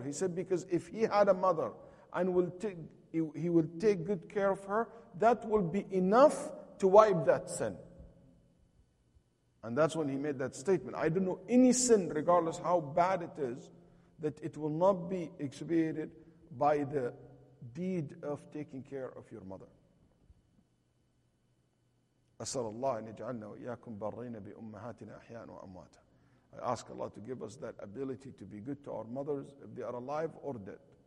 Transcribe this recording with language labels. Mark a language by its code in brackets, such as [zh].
[en] He said, because if he had a mother and he will take good care of her, that will be enough to wipe that sin. And that's when he made that statement. I don't know any sin, regardless how bad it is, that it will not be expiated by the deed of taking care of your mother. [ar] أسأل الله أن يجعلنا وإياكم بارين بأمهاتنا أحياء وأمواتا. [en] I ask Allah to give us that ability to be good to our mothers if they are alive or dead.